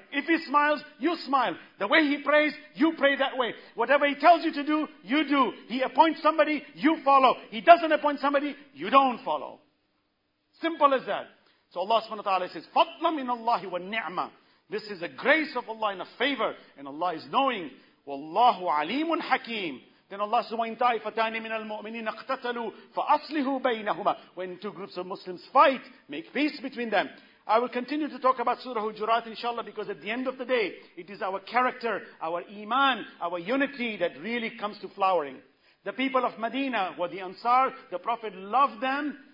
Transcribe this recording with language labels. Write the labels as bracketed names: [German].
[English] If he smiles, you smile. The way he prays, you pray that way. Whatever he tells you to do, you do. He appoints somebody, you follow. He doesn't appoint somebody, you don't follow. Simple as that. So Allah subhanahu wa ta'ala says, [Arabic] فَضْلًا مِنَ اللَّهِ وَالنِّعْمَةِ. [English] This is a grace of Allah and a favor. And Allah is knowing. [Arabic] وَاللَّهُ عَلِيمٌ حَكِيمٌ. [English] Then Allah says, [Arabic] وَإِنْ تَعِفَتَانِ مِنَ الْمُؤْمِنِينَ اَقْتَتَلُوا فَأَصْلِهُ بَيْنَهُمَا. [English] When two groups of Muslims fight, make peace between them. I will continue to talk about Surah Hujurat inshallah, because at the end of the day, it is our character, our iman, our unity that really comes to flowering. The people of Medina were the Ansar. The Prophet loved them.